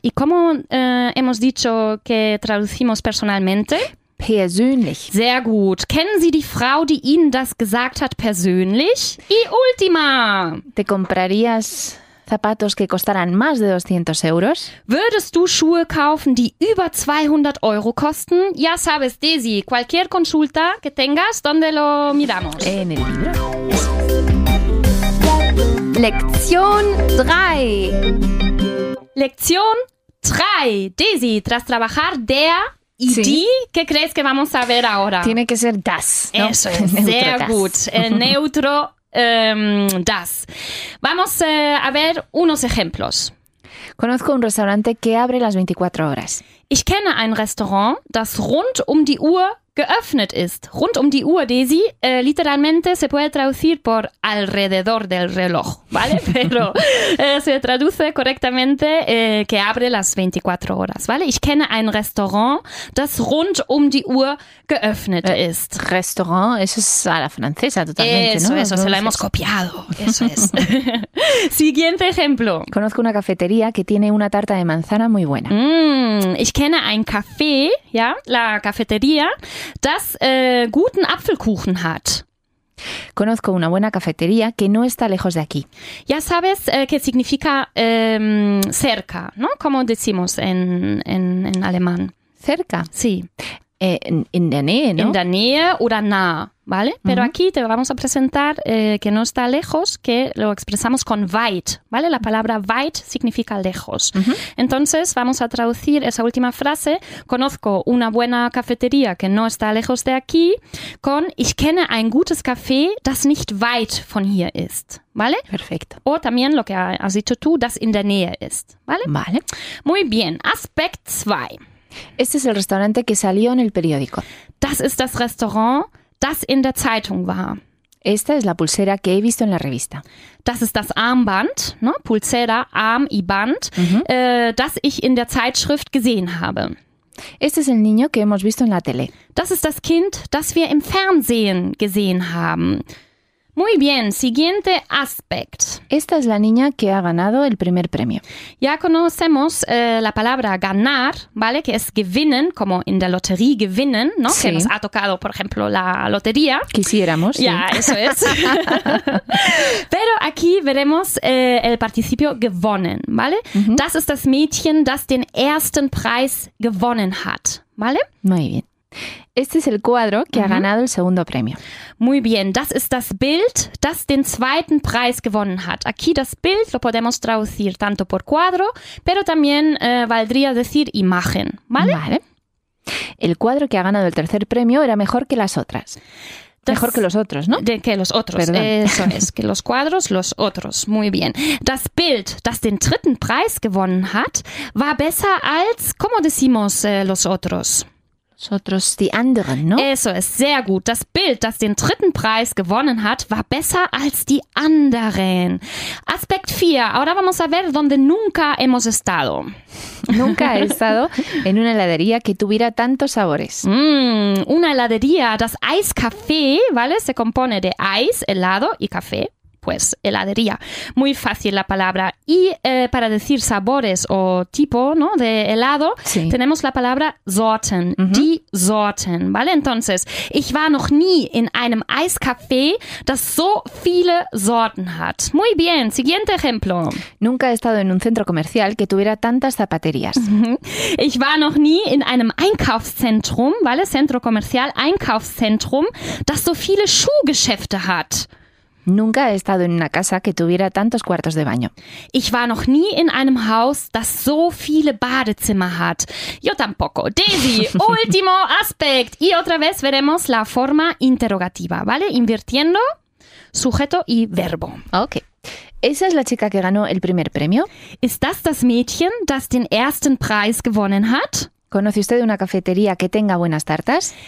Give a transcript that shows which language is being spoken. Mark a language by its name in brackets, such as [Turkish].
[Spanish] ¿Y cómo hemos dicho que traducimos personalmente? [German] Persönlich. Sehr gut. ¿Kennen Sie die Frau, die Ihnen das gesagt hat, persönlich? [Spanish] Y última. ¿Te comprarías zapatos que costaran más de 200 euros? [German] ¿Würdest du Schuhe kaufen, die über 200 Euro kosten? [Spanish] Ya sabes, Daisy, cualquier consulta que tengas, ¿dónde lo miramos? En el libro. Lección 3. Lección 3. Daisy, tras trabajar der y sí, die, ¿qué crees que vamos a ver ahora? Tiene que ser das, ¿no? Eso es, [German] sehr das, gut. [Spanish] El neutro das. Vamos a ver unos ejemplos. Conozco un restaurante que abre las 24 horas. [German] Ich kenne ein Restaurant, das rund um die Uhr geöffnet ist. Rund um die Uhr, [Spanish] Daisy, literalmente se puede traducir por alrededor del reloj, ¿vale? Pero se traduce correctamente que abre las 24 horas, ¿vale? [German] Ich kenne ein Restaurant, das rund um die Uhr geöffnet ist. [Spanish] Restaurant, eso es a la francesa totalmente, eso, ¿no? Eso, eso, se lo hemos copiado. Eso es. Siguiente ejemplo. Conozco una cafetería que tiene una tarta de manzana muy buena. [German] Ich kenne ein Café, [Spanish] ¿ya? La cafetería, [German] das guten Apfelkuchen hat. [Spanish] Conozco una buena cafetería que no está lejos de aquí. Ya sabes qué significa cerca, ¿no? Como decimos en alemán. ¿Cerca? Sí. [German] In der Nähe, ¿no? In der Nähe o nah, ¿vale? [Spanish] Pero uh-huh, aquí te vamos a presentar que no está lejos, que lo expresamos con weit, ¿vale? La palabra weit significa lejos. Uh-huh. Entonces, vamos a traducir esa última frase, conozco una buena cafetería que no está lejos de aquí, con [German] ich kenne ein gutes Café, das nicht weit von hier ist, [Spanish] ¿vale? Perfecto. O también lo que has dicho tú, [German] das in der Nähe ist, [Spanish] ¿vale? Vale. Muy bien, aspect 2. Este es el restaurante que salió en el periódico. [German] Das ist das Restaurant, das in der Zeitung war. [Spanish] Esta es la pulsera que he visto en la revista. [German] Das ist das Armband, [Spanish] ¿no? Pulsera, [German] Arm y Band, uh-huh, das ich in der Zeitschrift gesehen habe. [Spanish] Este es el niño que hemos visto en la tele. [German] Das ist das Kind, das wir im Fernsehen gesehen haben. [Spanish] Muy bien, siguiente aspect. Esta es la niña que ha ganado el primer premio. Ya conocemos la palabra ganar, ¿vale? Que es gewinnen, como en la lotería gewinnen, ¿no? Sí. Que nos ha tocado, por ejemplo, la lotería. Quisiéramos, ya, sí. Ya, eso es. Pero aquí veremos el participio gewonnen, ¿vale? Uh-huh. [German] Das ist das Mädchen, das den ersten Preis gewonnen hat, ¿vale? [Spanish] Muy bien. Este es el cuadro que uh-huh ha ganado el segundo premio. Muy bien. [German] Das ist das Bild, das den zweiten Preis gewonnen hat. [Spanish] Aquí das Bild lo podemos traducir tanto por cuadro, pero también valdría decir imagen. ¿Vale? Vale. El cuadro que ha ganado el tercer premio era mejor que las otras. Mejor que los otros, ¿no? Que los otros. Perdón. Eso es. Que los cuadros, los otros. Muy bien. [German] Das Bild, das den dritten Preis gewonnen hat, war besser als, [Spanish] ¿cómo decimos los otros? Nosotros, [German] die anderen, [Spanish] ¿no? Eso es, [German] sehr gut. Das Bild, das den dritten Preis gewonnen hat, war besser als die anderen. [Spanish] Aspect 4. Ahora vamos a ver dónde nunca hemos estado. Nunca he estado en una heladería que tuviera tantos sabores. Una heladería, [German] das Eiscafé, [Spanish] ¿vale? Se compone de Eis, helado y café. pues heladería. Muy fácil la palabra. Y para decir sabores o tipo, ¿no?, de helado, sí, tenemos la palabra Sorten, uh-huh, [German] die Sorten, [Spanish] ¿vale? [German] Entonces, ich war noch nie in einem Eiscafé, das so viele Sorten hat. [Spanish] Muy bien, siguiente ejemplo. Nunca he estado en un centro comercial que tuviera tantas zapaterías. Uh-huh. [German] Ich war noch nie in einem Einkaufszentrum, [Spanish] ¿vale? Centro comercial, [German] Einkaufszentrum, das so viele Schuhgeschäfte hat. [Spanish] Nunca he estado en una casa que tuviera tantos cuartos de baño. [German] Ich war noch nie in einem Haus, das so viele Badezimmer hat. [Spanish] Yo tampoco. Daisy, último aspect. Y otra vez veremos la forma interrogativa, ¿vale? Invirtiendo sujeto y verbo. Ok. ¿Esa es la chica que ganó el primer premio? [German] ¿Ist das das Mädchen, das den ersten Preis gewonnen hat? [Spanish] ¿Conoce usted una cafetería que tenga buenas tartas?